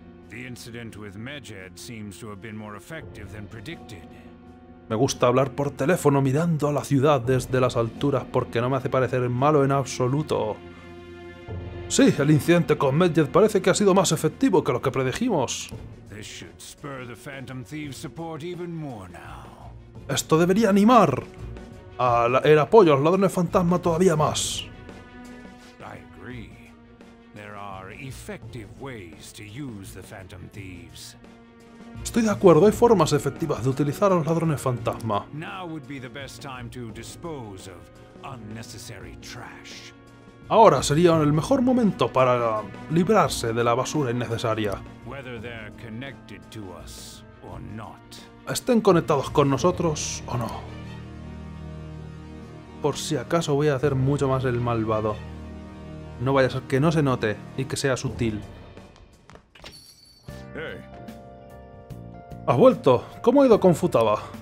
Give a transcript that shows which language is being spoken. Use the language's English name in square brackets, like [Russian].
[English] The incident with Medjed seems to have been more effective than predicted. [Spanish] Me gusta hablar por teléfono mirando a la ciudad desde las alturas porque no me hace parecer malo en absoluto. Sí, el incidente con Medjed parece que ha sido más efectivo que lo que predijimos. [English] This should spur the Phantom Thieves' support even more now. [Spanish] Esto debería animar el apoyo a los ladrones fantasma todavía más. [English] I agree. There are effective ways to use the Phantom Thieves. [Spanish] Estoy de acuerdo, hay formas efectivas de utilizar a los ladrones fantasma. [English] Now would be the best time to dispose of unnecessary trash. [Spanish] Ahora sería el mejor momento para librarse de la basura innecesaria. [English] Whether they're connected to us or not. [Spanish] Estén conectados con nosotros o no. Por si acaso voy a hacer mucho más el malvado. No vaya a ser que no se note y que sea sutil. [English] Hey. [Spanish] Has vuelto. ¿Cómo ha ido con Futaba?